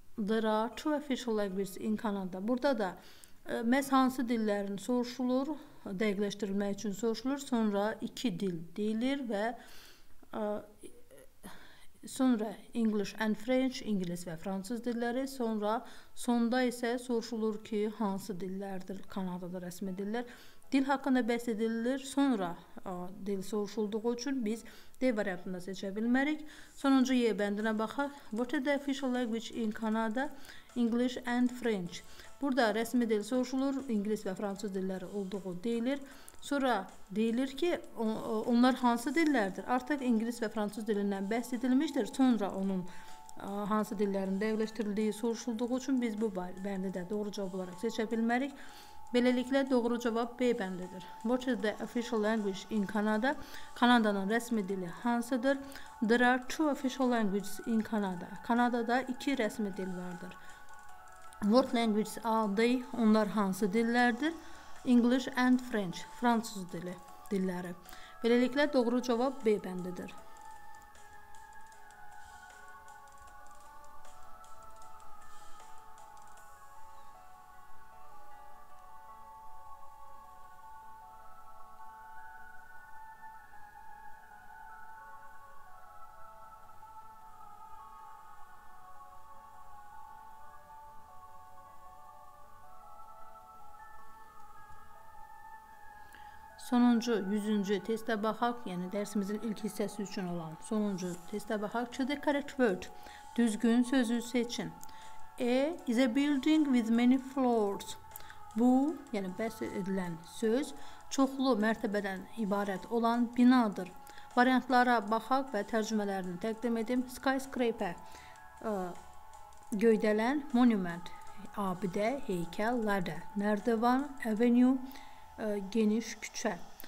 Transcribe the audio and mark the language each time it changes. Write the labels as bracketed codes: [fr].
[en] There are two official languages in Canada. [az] Burada da məhz hansı dillərin soruşulur, dəqiqləşdirilmək üçün soruşulur. Sonra iki dil deyilir və sonra [en] English and French, [az] İngiliz və Fransız dilləri. Sonra sonda isə soruşulur ki, hansı dillərdir Kanadada rəsmi dillər. Dil haqqında bəhs edilir, sonra dil soruşulduğu üçün biz D variantını seçə bilmərik. Sonuncu Y bəndinə baxaq. [en] What is the official language in Canada? English and French. [az] Burada rəsmi dil soruşulur, İngiliz və Fransız dilləri olduğu deyilir. Sonra deyilir ki, onlar hansı dillərdir? Artıq İngiliz və Fransız dilindən bəhs edilmişdir. Sonra onun hansı dillərin dəqiqləşdirildiyi soruşulduğu üçün biz bu bəndi də doğru cavab olaraq seçə bilmərik. Beləliklə, doğru cavab B bəndidir. [en] What is the official language in Canada? [az] Kanadanın rəsmi dili hansıdır? [en] There are two official languages in Canada. [az] Kanadada iki rəsmi dil vardır. [en] What languages are they? [az] Onlar hansı dillərdir? [en] English and French, [az] Fransız dili dilləri. Beləliklə, doğru cavab B bəndidir. Sonuncu, 100-cü testə baxaq, yəni dərsimizin ilk hissəsi üçün olan sonuncu testə baxaq. [en] Choose the correct word. [az] Düzgün sözü seçin. [en] A is a building with many floors. [az] Bu, yəni bəhs edilən söz, çoxlu mərtəbədən ibarət olan binadır. Variantlara baxaq və tərcümələrini təqdim edim. Skyscraper, göydələn, monument, abidə, heykəl, ladder, nərdivan, avenue, geniş küçə.